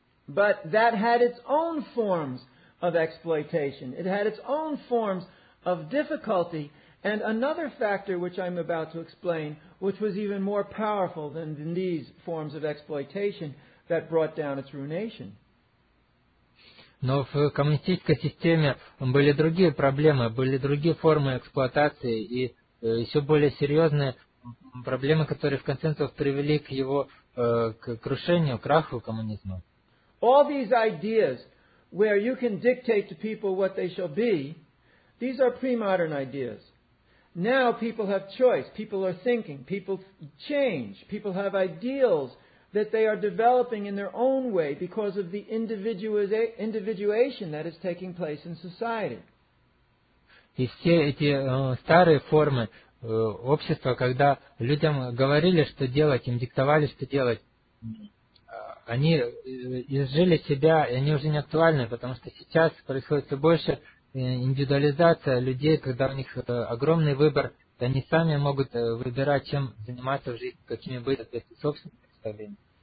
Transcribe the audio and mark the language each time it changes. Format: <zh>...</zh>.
<en>But that had its own forms of exploitation. It had its own forms of difficulty. And another factor, which I'm about to explain, which was even more powerful than these forms of exploitation that brought down its ruination.</en> <ru>Но в коммунистической системе были другие проблемы, были другие формы эксплуатации и еще более серьезные проблемы, которые в конце концов привели к его к крушению, к краху коммунизма.</ru> <en>All these ideas where you can dictate to people what they shall be, these are pre-modern ideas. Now people have choice, people are thinking, people change, people have ideals that they are developing in their own way because of the individuation that is taking place in society.</en> <ru>И все эти старые формы общества, когда людям говорили, что делать, им диктовали, что делать, они изжили себя, и они уже не актуальны, потому что сейчас происходит все больше индивидуализация людей, когда у них огромный выбор, и они сами могут выбирать, чем заниматься в жизни, какими быть, то есть собственные представления.</ru>